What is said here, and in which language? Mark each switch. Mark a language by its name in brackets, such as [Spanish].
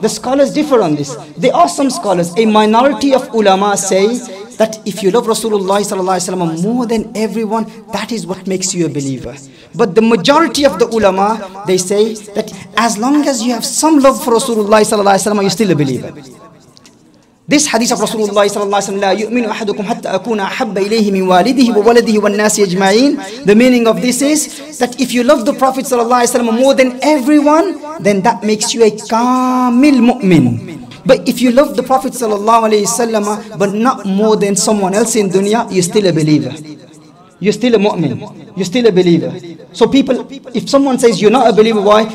[English] The scholars differ on this. There are some scholars, a minority of ulama say that if you love Rasulullah sallallahu alayhi wa sallam more than everyone, that is what makes you a believer. But the majority of the ulama, they say that as long as you have some love for Rasulullah sallallahu alayhi wa sallam, you're still a believer. This hadith of Rasulullah sallallahu alayhi wa sallam, [Arabic] لا يؤمن أحدكم حتى أكون أحب إليه من والده وولده والناس أجمعين. [English] The meaning of this is that if you love the Prophet sallallahu alayhi wa sallam more than everyone, then that makes you a kamil mu'min. But if you love the Prophet sallallahu alayhi wa sallam but not more than someone else in dunya, you're still a believer. You're still a mu'min. You're still a believer. So people, if someone says you're not a believer, why?